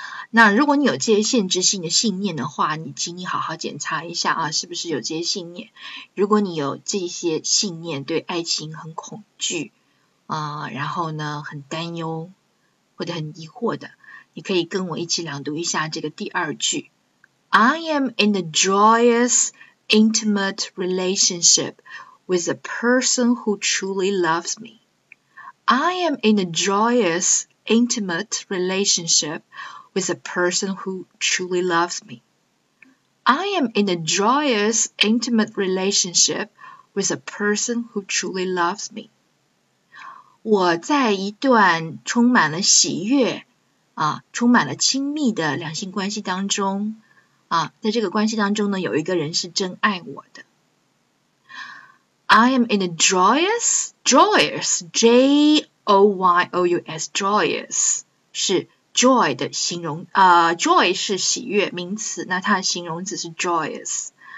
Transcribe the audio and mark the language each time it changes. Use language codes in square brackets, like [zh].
[zh] 那如果你有这些限制性的信念的话，你请你好好检查一下啊，是不是有这些信念？如果你有这些信念，对爱情很恐惧啊，然后呢很担忧或者很疑惑的，你可以跟我一起朗读一下这个第二句 [en] I am in a joyous, intimate relationship with a person who truly loves me. I am in a joyous, intimate relationship with a person who truly loves me. I am in a joyous, intimate relationship with a person who truly loves me. [zh] 我在一段充满了喜悦啊，充满了亲密的两性关系当中啊，在这个关系当中呢，有一个人是真爱我的。 [en] I am in a joyous, J-O-Y-O-U-S, joyous, [zh] 是 joy 的形容，joy 是喜悦名词，那它的形容词是 joyous。